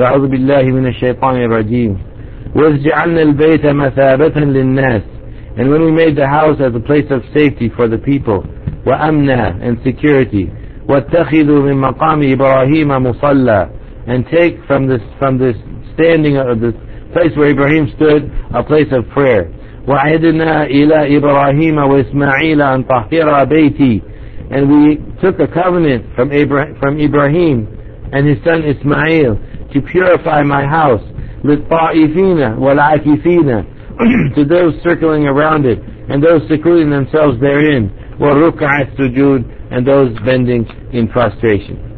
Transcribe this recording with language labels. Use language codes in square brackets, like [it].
[ar] أعوذ بالله من الشيطان الرجيم. وجعلنا البيت مثابة للناس. [en] And when we made the house as a place of safety for the people. [ar] وأمنا [en] and security. [ar] واتخذوا من مقام إبراهيم مصلى. [en] And take from this standing of the place where Ibrahim stood, a place of prayer. [ar] وعهدنا إلى إبراهيم وإسماعيل أن طهر بيتي. [en] And we took a covenant from Ibrahim and his son Ismail to purify my house. [ar] لِلطَّائِفِينَ وَالْعَاكِفِينَ [en] to those circling around it and those secluding themselves therein. [ar] وَالرُّكَعَ السُّجُودِ [en] and those bending in prostration.